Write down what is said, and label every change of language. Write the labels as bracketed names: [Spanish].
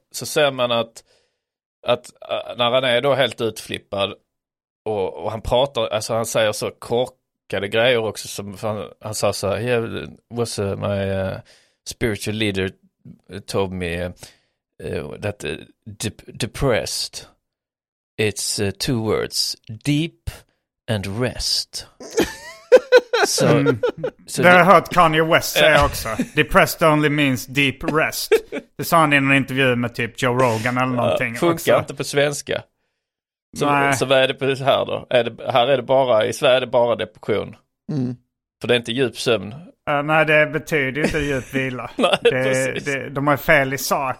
[Swedish] Så ser man att när han är då helt utflippad och han pratar, alltså han säger så korkade grejer också, som han sa så här: [English] yeah, what's my spiritual leader told me that depressed, it's two words, deep and rest. [Swedish] So, det har jag hört Kanye West säga också. [English] Depressed only means deep rest. [Swedish] Det sa han i en intervju med typ Joe Rogan eller någonting. Funkar inte på svenska. Så vad är det på det här då? I Sverige är det bara depression. Mm. För det är inte djup sömn. Nej, det betyder ju inte djup vila. De har fel i sak.